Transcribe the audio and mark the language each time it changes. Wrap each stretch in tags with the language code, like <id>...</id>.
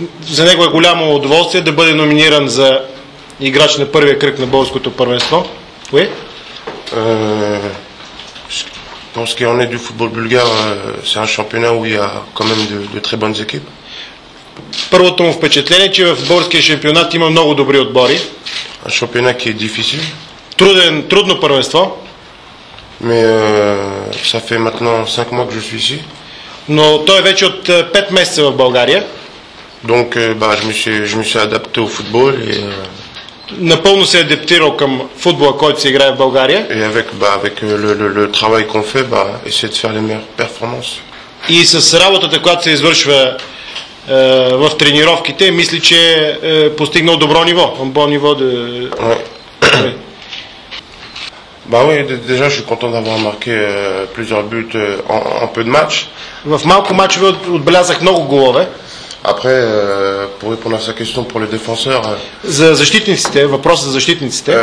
<bg>За него е голямо удоволствие да бъде номиниран за играч на първия кръг на българското първенство. Кое?</bg> <fr>Pense qu'on est du football bulgare, c'est un championnat où il y a quand même de très bonnes équipes.</fr> <bg>Първото му впечатление, че в българския шампионат има много добри отбори.</bg> <fr>Un championnat qui est difficile.</fr> <bg>Трудно първенство.</bg> <fr>Mais ça fait maintenant 5 mois que je suis ici.</fr> <bg>Но той е вече от 5 месеца в България.</bg> <fr>Donc bah je me suis adapté au football et</fr> <bg>напълно се адаптирал към футбола, който се играе в България.</bg> <fr>Et avec le travail qu'on fait, essayer de faire les meilleures performances.</fr> <bg>И с работата, която се извършва в тренировките, мисли, че е постигнал добро ниво,</bg> <fr>Bah oui, déjà je suis content d'avoir marqué plusieurs buts en peu de match.</fr> <bg>В малко мачове отбелязах много голове.</bg> <fr>Après, pour répondre à sa question pour les défenseurs.</fr> <bg>За защитниците, въпрос за защитниците.</bg>